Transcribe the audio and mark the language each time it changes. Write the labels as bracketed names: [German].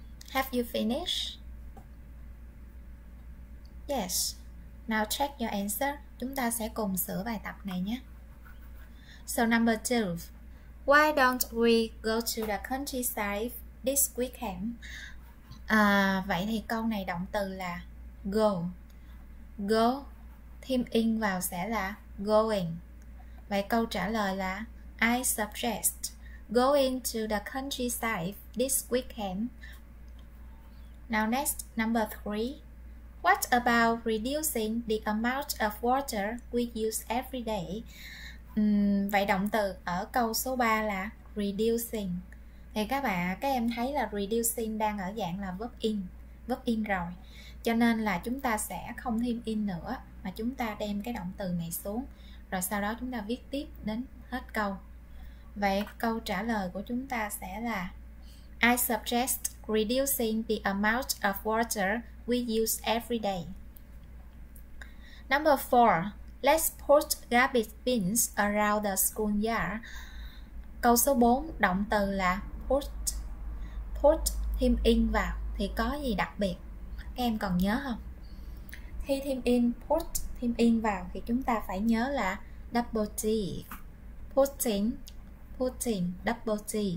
[English] Have you finished? Yes. Now check your answer. [Vietnamese] Chúng ta sẽ cùng sửa bài tập này nhé. [English] So number 2. Why don't we go to the countryside this weekend? [Vietnamese] Vậy thì câu này động từ là go. Go thêm in vào sẽ là going. Vậy câu trả lời là [English] I suggest going to the countryside this weekend. Now next, number 3. What about reducing the amount of water we use every day? [Vietnamese] Vậy động từ ở câu số 3 là reducing. Thì các bạn, các em thấy là reducing đang ở dạng là verb in. Verb in rồi. Cho nên là chúng ta sẽ không thêm in nữa, mà chúng ta đem cái động từ này xuống. Rồi sau đó chúng ta viết tiếp đến hết câu. Vậy câu trả lời của chúng ta sẽ là [English] I suggest reducing the amount of water we use every day. Number 4. Let's put garbage bins around the school yard. [Vietnamese] Câu số 4, động từ là put. Put thêm in vào thì có gì đặc biệt? Các em còn nhớ không? Khi thêm in, put thêm in vào thì chúng ta phải nhớ là double T. [English] Putting, putting, double T.